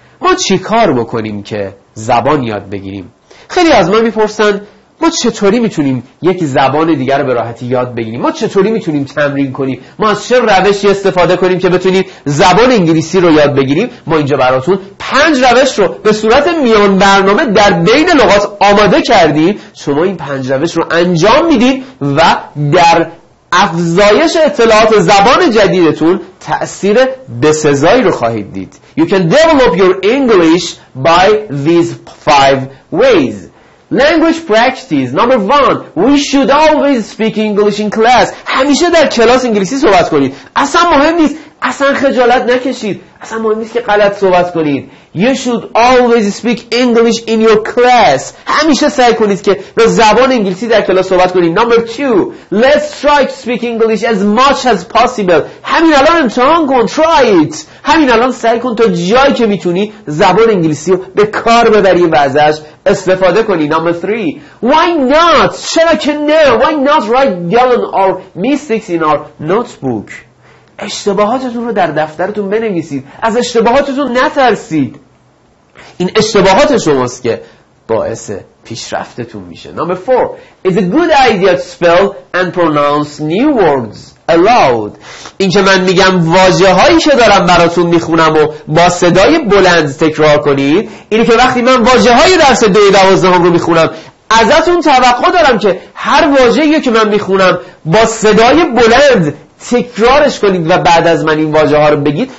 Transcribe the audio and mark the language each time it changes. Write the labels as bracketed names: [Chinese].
[Persian] ما چی کار بکنیم که زبان یاد بگیریم؟ خیلی از ما میپرسن ما چطوری میتونیم یک زبان دیگر رو به راحتی یاد بگیریم؟ ما چطوری میتونیم تمرین کنیم؟ ما از چه روشی استفاده کنیم که بتونیم زبان انگلیسی رو یاد بگیریم؟ ما اینجا براتون 5 روش رو به صورت میان برنامه در بین لغات آماده کردیم. شما این 5 روش رو انجام میدید و در افزایش اطلاعات زبان جدیدتون تأثیر بسزایی رو خواهید دید. [English] You can develop your English by these 5 ways. Language practice. Number 1. We should always speak English in class. [Persian] همیشه در کلاس انگلیسی صحبت کنید. اصلا مهم نیست، اصلا خجالت نکشید، اصلا مهم نیست که غلط صحبت کنید. [English] You should always speak English in your class. [Persian] همیشه سعی کنید که به زبان انگلیسی در کلاس صحبت کنید. [English] Number 2. Let's try to speak English as much as possible. [Persian] همین الان امتحان کن. [English] Try it. [Persian] همین الان سعی کن تا جایی که میتونی زبان انگلیسی رو به کار ببری و ازش استفاده کنی. [English] Number 3. Why not? [Persian] چرا که نه؟ [English] Why not write down our mistakes in our notebook? [Persian] اشتباهاتتون رو در دفترتون بنویسید. از اشتباهاتتون نترسید. این اشتباهات شماست که باعث پیشرفتتون میشه. [English] Number 4. It's a good idea to spell and pronounce new words aloud. [Persian] این که من میگم واژه هایی که دارم براتون میخونم و با صدای بلند تکرار کنید، اینی که وقتی من واژه های درس 2-12 رو میخونم ازتون توقع دارم که هر واژه‌ای که من میخونم با صدای بلند تکرارش کنید و بعد از من این واژه ها رو بگید.